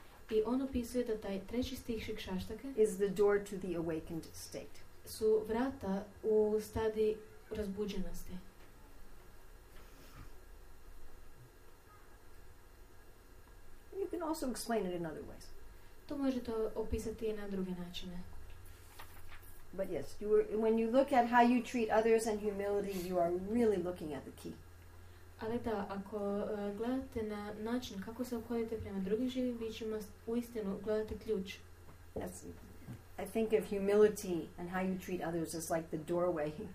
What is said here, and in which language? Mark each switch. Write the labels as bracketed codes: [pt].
[hr] I on opisuje da taj treći stih Shikshastake, [en] is the door to the awakened state. [hr] Su vrata u stadi razbuđenosti. [en] You can also explain it in other ways. [hr] To možete opisati na druge načine. [en] But yes, you were, when you look at how you treat others and humility, you are really looking at the key. [hr] Ali da, ako gledate na način kako se obhodite prema drugim živim bićima, uistinu gledate ključ. [en] That's, I think of humility and how you treat others as like the doorway.